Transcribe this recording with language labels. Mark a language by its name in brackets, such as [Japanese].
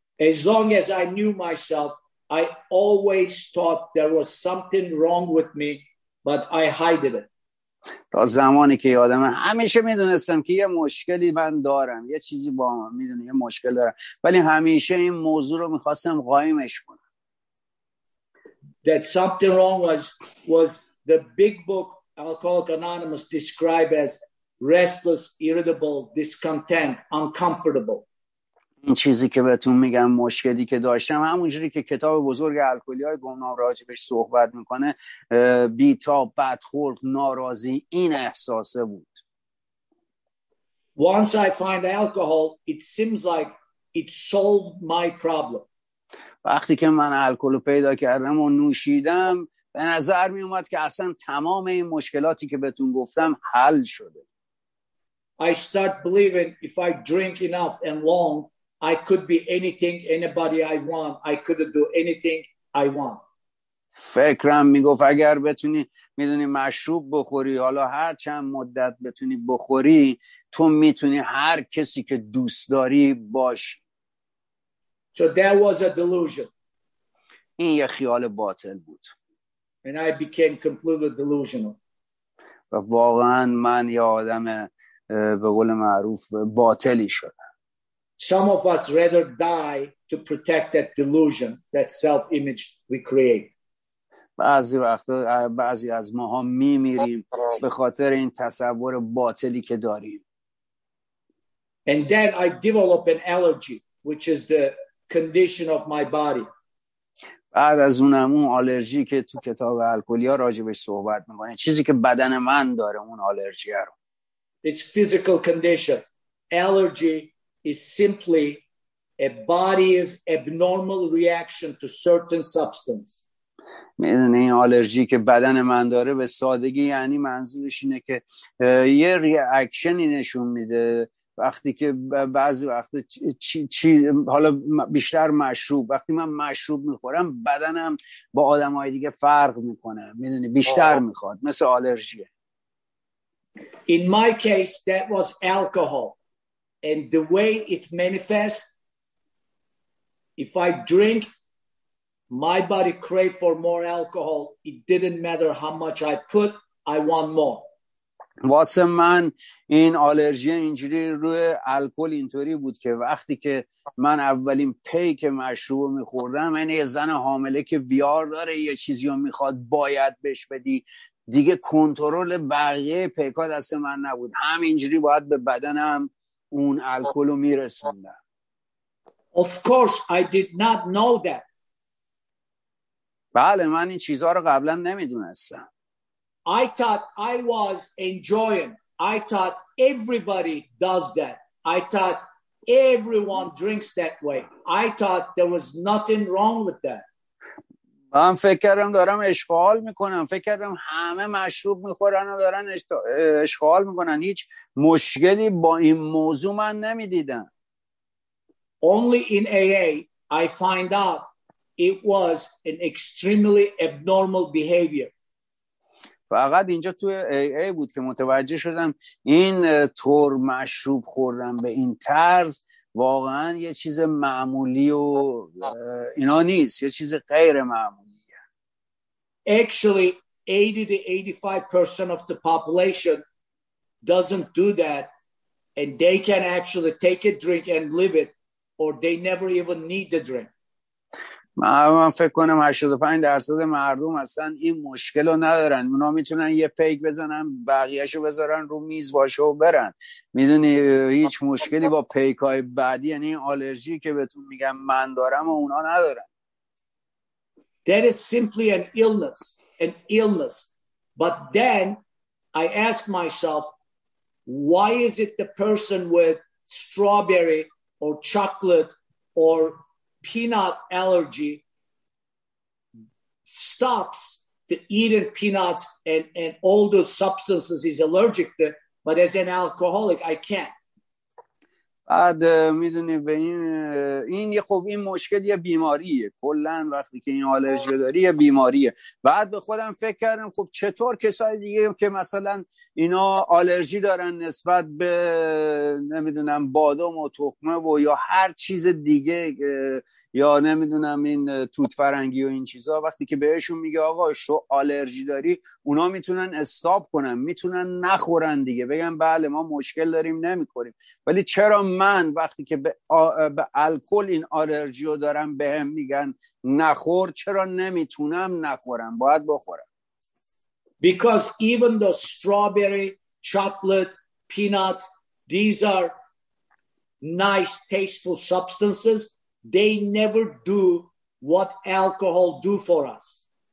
[English] As long as I knew myself, I always thought there was something wrong with me, but I hided it. [Persian] تا زمانی که یادم همیشه میدونستم که یه مشکلی من دارم یه چیزی با من میدونی یه مشکل دارم ولی همیشه این موضوع رو میخواستم قایمش کنم. [English] That something wrong was the big book Alcoholics Anonymous describe as restless, irritable, discontent, uncomfortable. [Persian] این چیزی که بهتون میگم مشکلی که داشتم همونجوری که کتاب بزرگ الکلی‌های گمنام راجبش صحبت میکنه بیتاب، بدخلق، ناراضی این احساسه بود. [English] Once I find alcohol, it seems like it solved my problem. [Persian] وقتی که من الکل رو پیدا کردم و نوشیدم به نظر می اومد که اصلا تمام این مشکلاتی که بهتون گفتم حل شده. [English] I start believing if I drink enough and long, I could be anything, anybody I want. I could do anything I want. [Persian] فکرم میگفت اگر بتونی میدونی مشروب بخوری حالا هر چند مدت بتونی بخوری تو میتونی هر کسی که دوست داری باشی. [English] So that was a delusion. [Persian] این یه خیال باطل بود. [English] And I became completely delusional. [Persian] و واقعا من یه آدم به قول معروف باطلی شدم. [English] Some of us rather die to protect that delusion, that self-image we create. [Persian] بعضی وقتا بعضی از ماها میمیریم به خاطر این تصور باطلی که داریم. [English] And then I develop an allergy, which is the condition of my body. [Persian] بعد از اونم اون آلرژی که تو کتاب الکلی ها راجبش صحبت میکنه چیزی که بدن من داره اون آلرژی رو. [English] It's physical condition. Allergy is simply a body's abnormal reaction to certain substance. [Persian] میدونی این آلرژی که بدن من داره به سادگی یعنی منظورش اینه که یه ریاکشنی نشون میده وقتی که بعضی وقتا حالا بیشتر مشروب وقتی من مشروب میخورم بدنم با آدمهای دیگه فرق میکنه میدونی بیشتر میخواد مثل آلرژیه. [English] In my case that was alcohol and the way it manifests if I drink my body crave for more alcohol it didn't matter how much I put I want more. [Persian] واسه من این آلرژی اینجوری روی الکل اینطوری بود که وقتی که من اولین پیک مشروب میخوردم این یه زن حامله که ویار داره یه چیزی رو میخواد باید بهش بدی دیگه کنترل بقیه پیکا دست من نبود همینجوری باید به بدنم اون الکل رو میرسوندم. [English] Of course, I did not know that. [Persian] بله من این چیزها رو قبلا نمیدونستم. [English] I thought I was enjoying. I thought everybody does that. I thought everyone drinks that way. I thought there was nothing wrong with that. [Persian] من فکر کردم دارم اشغال میکنم. فکر کردم همه مشروب میخورن و دارن اشغال میکنن. هیچ مشکلی با این موضوع من نمیدیدم. [English] Only in AA I find out it was an extremely abnormal behavior. [Persian] فقط اینجا تو AA بود که متوجه شدم این طور مشروب خوردن به این طرز واقعا یه چیز معمولی و اینا نیست، یه چیز غیر معمولیه. [English] Actually 80 to 85% of the population doesn't do that and they can actually take a drink and live it or they never even need the drink. [Persian] من فکر کنم 85% مردم اصلا این مشکل رو ندارن، اونا میتونن یه پیک بزنن بقیهش رو بذارن رو میز باشه و برن. میدونی هیچ مشکلی با پیک های بعدی، یعنی آلرژی که بهتون میگم من دارم و اونا ندارن. [English] That is simply an illness. But then I ask myself, why is it the person with strawberry or chocolate or peanut allergy stops to eat peanuts and all those substances he's allergic to, but as an alcoholic I can't. [Persian] بعد میدونی به این یه خب این مشکل یه بیماریه کلا، وقتی که این آلرژی داری یه بیماریه. بعد به خودم فکر کردم خب چطور کسای دیگه که مثلا اینا آلرژی دارن نسبت به نمیدونم بادام و تخمه و یا هر چیز دیگه یا نمیدونم این توت فرنگی و این چیزا، وقتی که بهشون میگه آقا تو آلرژی داری، اونا میتونن استاپ کنن، میتونن نخورن دیگه، بگن بله ما مشکل داریم نمیخوریم. ولی چرا من وقتی که به الکل این آلرژی رو دارم بهم میگن نخور، چرا نمیتونم نخورم، باید بخورم؟ [English] Because even the strawberry, chocolate, peanuts, these are nice tasteful substances. They never do what alcohol do for us.